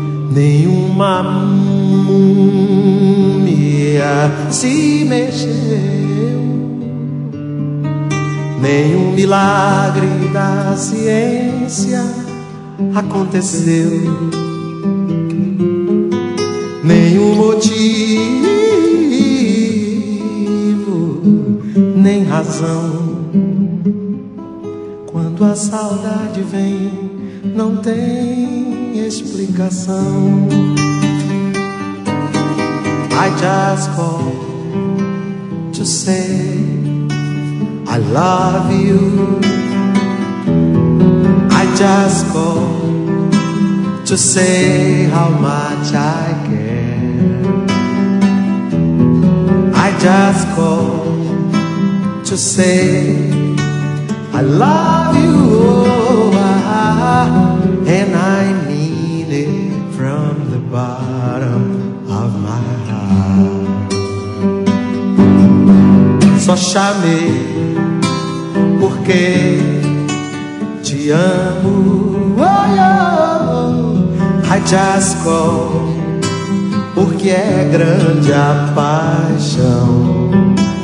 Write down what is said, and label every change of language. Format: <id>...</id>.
<pt>nenhuma múmia se mexeu, nenhum milagre da ciência aconteceu, nenhum motivo, nem razão. Quando a saudade vem, não tem explicação.</pt> <en>I just call to say I love you. I just call to say how much I care. I just call to say I love you, oh, I, and I mean it from the bottom of my heart.</en> <pt>Só chamei porque te amo, oh, oh, oh.</pt> <en>I just call</en> <pt>porque é grande a paixão.</pt>